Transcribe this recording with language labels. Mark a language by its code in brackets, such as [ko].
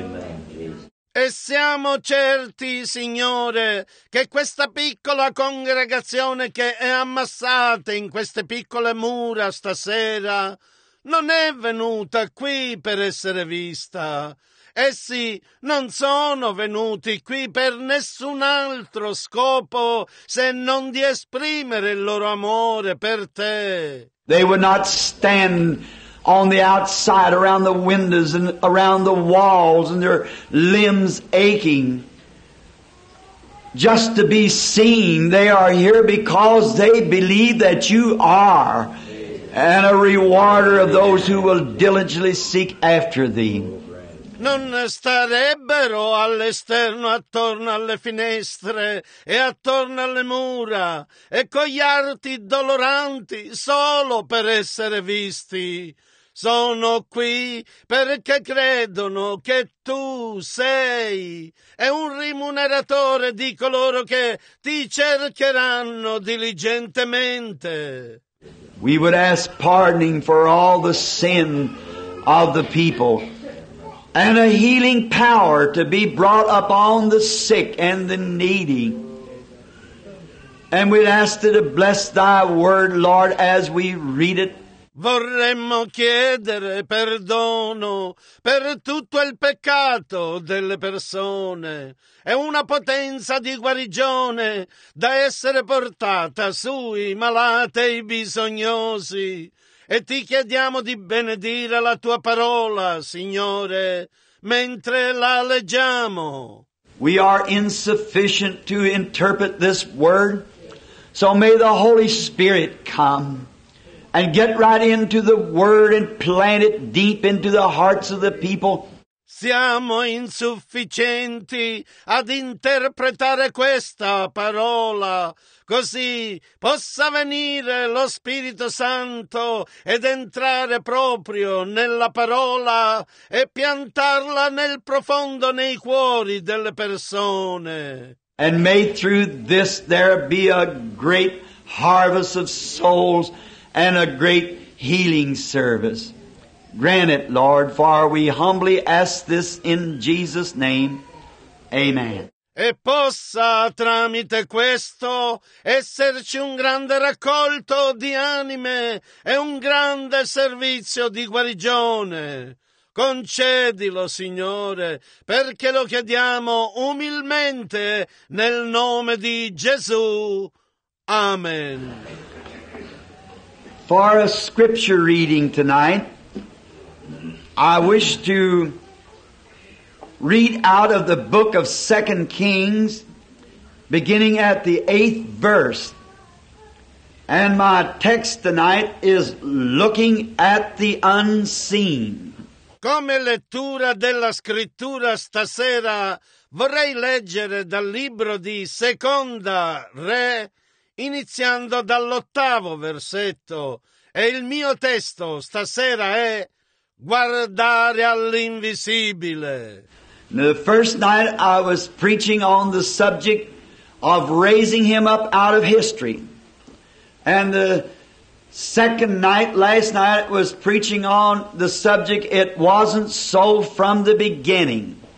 [en] Amen. [it] E siamo certi, Signore, che questa piccola congregazione che è ammassata in queste piccole mura stasera non è venuta qui per essere vista. Essi non sono venuti qui per nessun altro scopo se non di esprimere il loro amore per Te. [en] They would not stand on the outside, around the windows and around the walls and their limbs aching just to be seen. They are here because they believe that You are and a rewarder of those who will diligently seek after Thee. [it] Non starebbero all'esterno attorno alle finestre e attorno alle mura e con gli arti doloranti solo per essere visti. Sono qui perché credono che Tu sei e un rimuneratore di coloro che Ti cercheranno diligentemente. [en] We would ask pardoning for all the sin of the people and a healing power to be brought upon the sick and the needy. And we'd ask Thee to bless Thy word, Lord, as we read it. [it] Vorremmo chiedere perdono per tutto il peccato delle persone e una potenza di guarigione da essere portata sui malati e i bisognosi. E Ti chiediamo di benedire la Tua parola, Signore, mentre la leggiamo. [en] We are insufficient to interpret this word, so may the Holy Spirit come and get right into the Word and plant it deep into the hearts of the people. [it] Siamo insufficienti ad interpretare questa parola, così possa venire lo Spirito Santo ed entrare proprio nella parola e piantarla nel profondo nei cuori delle persone. [en] And may through this there be a great harvest of souls and a great healing service. Grant it, Lord, for we humbly ask this in Jesus' name. Amen. [it] E possa tramite questo esserci un grande raccolto di anime e un grande servizio di guarigione. Concedilo, Signore, perché lo chiediamo umilmente nel nome di Gesù. Amen. [en] For a scripture reading tonight, I wish to read out of the book of 2 Kings, beginning at the 8th verse. And my text tonight is Looking at the Unseen. [it] Come lettura della scrittura stasera, vorrei leggere dal libro di Seconda Re, iniziando dall'8º versetto. E il mio testo stasera è Guardare all'invisibile. [en] Now, the first night I was preaching on the subject of raising Him up out of history. And the second night, last night, was preaching on the subject It Wasn't So From the Beginning.